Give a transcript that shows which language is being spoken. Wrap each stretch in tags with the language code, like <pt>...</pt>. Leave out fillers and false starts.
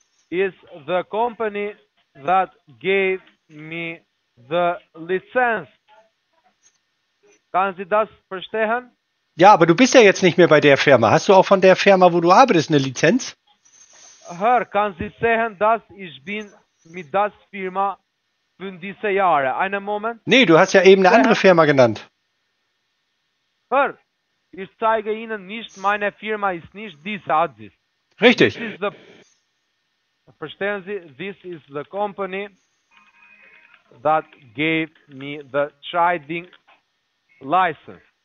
<en>Is the company that gave me the license.</en> <de>Können Sie das verstehen? Ja, aber du bist ja jetzt nicht mehr bei der Firma. Hast du auch von der Firma, wo du arbeitest, eine Lizenz? Hör, kann Sie sehen, dass ich bin mit der Firma für diese Jahre. Einen Moment. Nee, du hast ja eben eine andere Firma genannt. Hör, ich zeige Ihnen nicht, meine Firma ist nicht diese Adsis. Richtig. Verstehen Sie,</de> <en>this is the company that gave me the trading license.</en>